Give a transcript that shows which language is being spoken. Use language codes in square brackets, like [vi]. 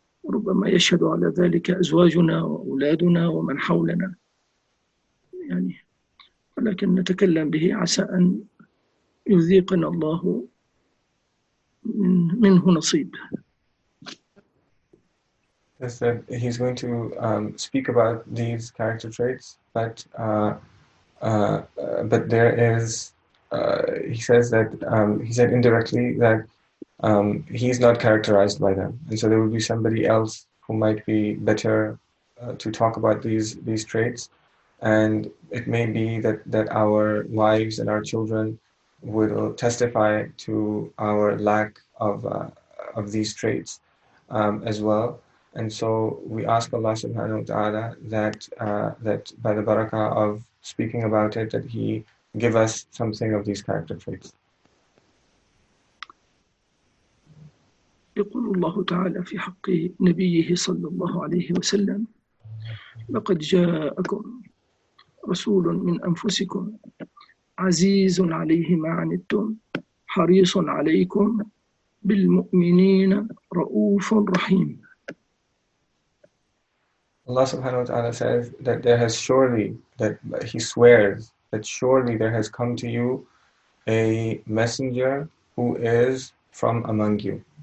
[ar] ربما يشهد على ذلك أزواجنا وأولادنا ومن حولنا، يعني، ولكن نتكلم به عسى أن يذيقنا الله منه نصيب. [en] Yes, that he's going to speak about these character traits, but there is, he says that, he said indirectly that he's not characterized by them, and so there will be somebody else who might be better to talk about these traits, and it may be that our wives and our children will testify to our lack of these traits as well. And so we ask Allah subhanahu wa ta'ala that by the barakah of speaking about it, that he give us something of these character traits. [ar] يقول الله تعالى في حق نبيه صلى الله عليه وسلم: لقد جاءكم رسول من أنفسكم عزيز عليه ما عنتم، حريص عليكم بالمؤمنين، رؤوف رحيم. [en] Allah subhanahu wa ta'ala says that there has surely, that he swears that surely there has come to you a messenger who is from among you.